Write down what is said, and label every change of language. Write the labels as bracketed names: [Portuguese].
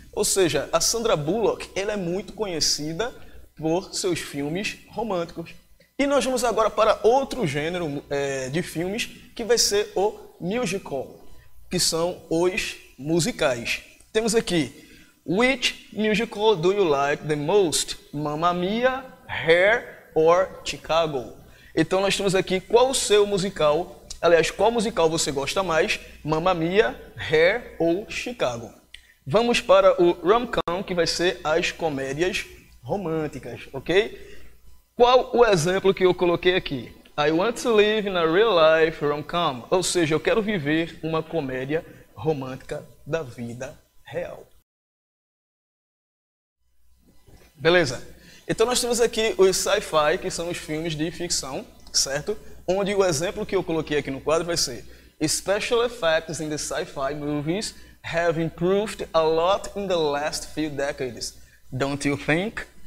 [Portuguese] Ou seja, a Sandra Bullock, ela é muito conhecida por seus filmes românticos. E nós vamos agora para outro gênero de filmes, que vai ser o musical, que são os musicais. Temos aqui, [English] which musical do you like the most? Mamma Mia, Hair or Chicago? [Portuguese] Então nós temos aqui, qual o seu musical? Aliás, qual musical você gosta mais? Mamma Mia, Hair ou Chicago? Vamos para o rom-com, que vai ser as comédias românticas, ok? Qual o exemplo que eu coloquei aqui? [English] I want to live in a real life rom-com. [Portuguese] Ou seja, eu quero viver uma comédia romântica da vida real. Beleza. Então nós temos aqui os sci-fi, que são os filmes de ficção, certo? Onde o exemplo que eu coloquei aqui no quadro vai ser [English] Special effects in the sci-fi movies have improved a lot in the last few decades. Don't You Think?